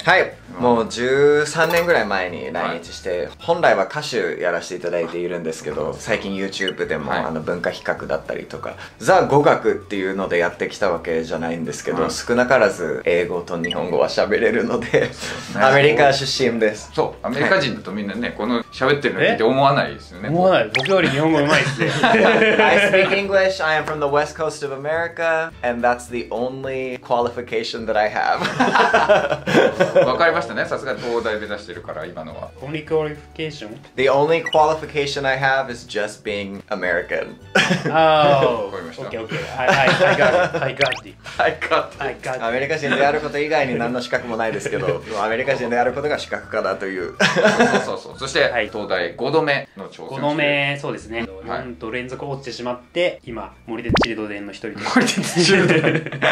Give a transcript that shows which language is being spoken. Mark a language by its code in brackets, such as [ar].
[ja] はい、もう13年ぐらい前に来日して、はい、本来は歌手やらせていただいているんですけど、最近 YouTube でも、はい、あの文化比較だったりとか、ザ語学っていうのでやってきたわけじゃないんですけど、はい、少なからず英語と日本語は喋れるので、はい、アメリカ出身です。そう、アメリカ人だとみんなね、この喋ってるのって思わないですよね。思わない、僕より日本語上手いっすね。 [en] I speak English, I am from the west coast of America, and that's the only qualification that I have. [ja] わかりましたね、さすが東大目指してるから。今のは [en] Only qualification? The only qualification I have is just being American. Oh, okay, okay. I got it. [ja] アメリカ人であること以外に何の資格もないですけど、アメリカ人であることが資格かなという。そうそうそう。そして、はい、東大5度目の挑戦。 5度目、そうですね、はい、4度連続落ちてしまって、今森でチルドレンの一人森でチルドレン